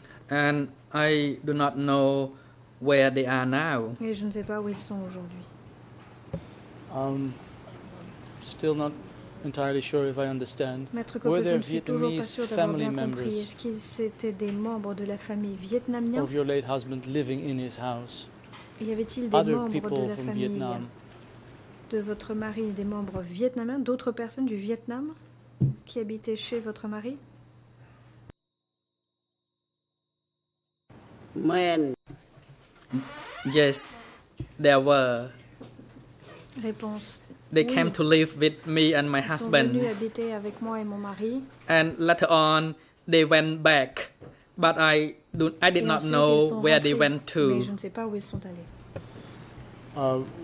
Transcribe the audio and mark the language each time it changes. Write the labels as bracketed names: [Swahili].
[English] And I do not know where they are now. [French] Et je ne sais pas où ils sont aujourd'hui. [English] Still not entirely sure if I understand. Were there Vietnamese family members of your late husband living in his house? Other people from Vietnam? [French] De votre mari, des membres vietnamiens, d'autres personnes du Vietnam qui habitaient chez votre mari? [English] Yes, there were. [French] Réponse. [English] They came to live with me and my husband. [French] Ils sont venus habiter avec moi et mon mari. [English] And later on, they went back, but I did not know where they went to. [French] Mais je ne sais pas où ils sont allés.